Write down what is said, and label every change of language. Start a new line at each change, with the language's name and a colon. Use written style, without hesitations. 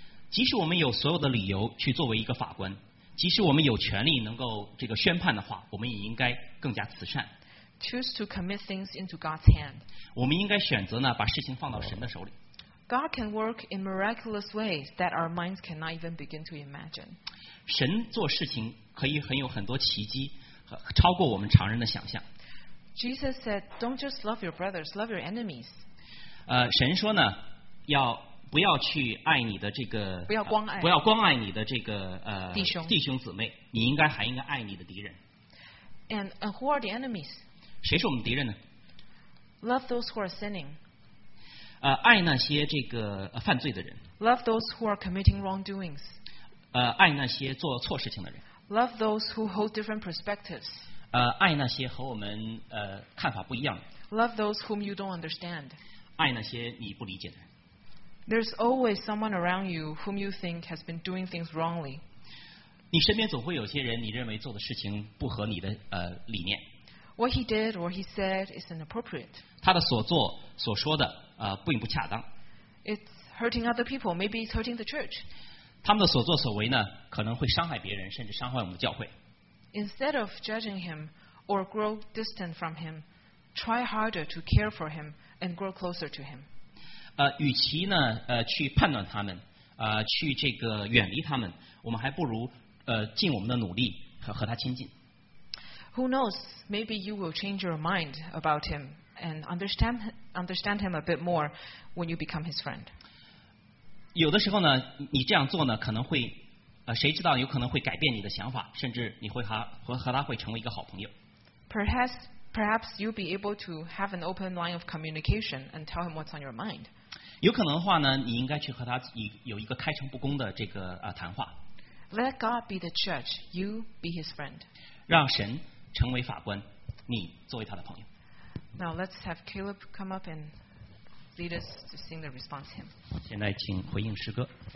Chinese: 即使我们有所有的理由去作为一个法官，即使我们有权利能够这个宣判的话，我们也应该更加慈善。
English: Choose to commit things into God's hand.
Chinese: 我们应该选择呢，把事情放到神的手里。
English: God can work in miraculous ways that our minds cannot even begin to imagine.
Chinese: 神做事情可以很有很多奇迹，超过我们常人的想象。
English: Jesus said, "Don't just love your brothers, love your enemies."
Chinese: 神说呢，要不要去爱你的这个，不要光爱你的这个弟兄姊妹，你应该还应该爱你的敌人。
English: And who are the enemies?
Chinese: 谁是我们敌人呢
English: ？Love those who are sinning.
Chinese: 爱那些这个犯罪的人。
English: Love those who are committing wrongdoings.
Chinese: 爱那些做错事情的人。
English: Love those who hold different perspectives.
Chinese: 爱那些和我们看法不一样的。
English: Love those whom you don't understand.
Chinese: 爱那些你不理解的。
English: There's always someone around you whom you think has been doing things wrongly.
Chinese: 你身边总会有些人你认为做的事情不合你的理念。
English: What he did or he said is inappropriate.
Chinese: 他的所做所说的并不恰当。
English: It's hurting other people. Maybe it's hurting the church.
Chinese: 他们的所作所为呢，可能会伤害别人，甚至伤害我们的教会。
English: Instead of judging him or grow distant from him, try harder to care for him and grow closer to him.
Chinese: 与其呢，去判断他们，去这个远离他们，我们还不如尽我们的努力和他亲近。
English: Who knows? Maybe you will change your mind about him and understand him a bit more when you become his friend.
Chinese: 有的时候呢，你这样做呢，可能会，谁知道有可能会改变你的想法，甚至你会和他会成为一个好朋友。
English: Perhaps you'll be able to have an open line of communication and tell him what's on your mind.
Chinese: 有可能的话呢，你应该去和他有一个开诚布公的这个谈话。
English: Let God be the judge, you be his friend.
Chinese: 让神成为法官，你作为他的朋友。
English: Now let's have Caleb come up and lead us to sing the response hymn.
Chinese: 现在请回应诗歌。